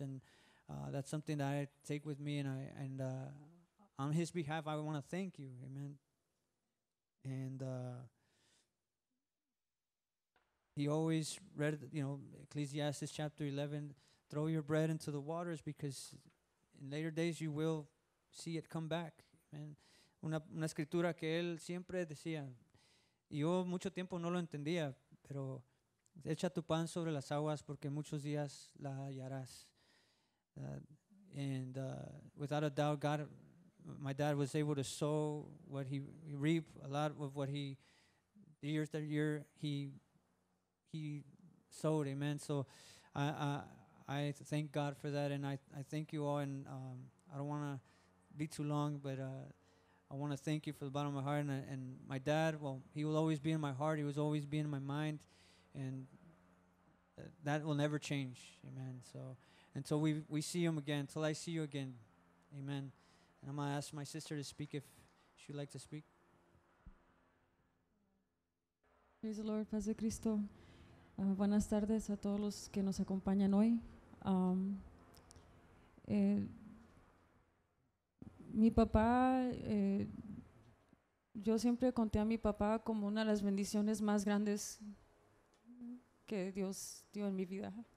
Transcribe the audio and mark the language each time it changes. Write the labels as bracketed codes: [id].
[en] And that's something that I take with me. And on his behalf, I want to thank you. Amen. And he always read, you know, Ecclesiastes chapter 11, throw your bread into the waters because in later days you will see it come back. [es] Amen. Una escritura que él siempre decía. Y yo mucho tiempo no lo entendía, pero echa tu pan sobre las aguas porque muchos días la hallarás. [en] And without a doubt, God, my dad was able to sow what he reaped, a lot of what he, year after year, he sowed. Amen. So I thank God for that, and I thank you all, and I don't want to be too long, but I want to thank you from the bottom of my heart, and my dad, well, he will always be in my heart, he will always be in my mind, and that will never change, amen. So until we see him again, until I see you again, amen. And I'm going to ask my sister to speak if she'd like to speak. Praise the Lord, [es] Paz de Cristo. Buenas tardes a todos los que nos acompañan hoy. Mi papá, yo siempre conté a mi papá como una de las bendiciones más grandes que Dios dio en mi vida.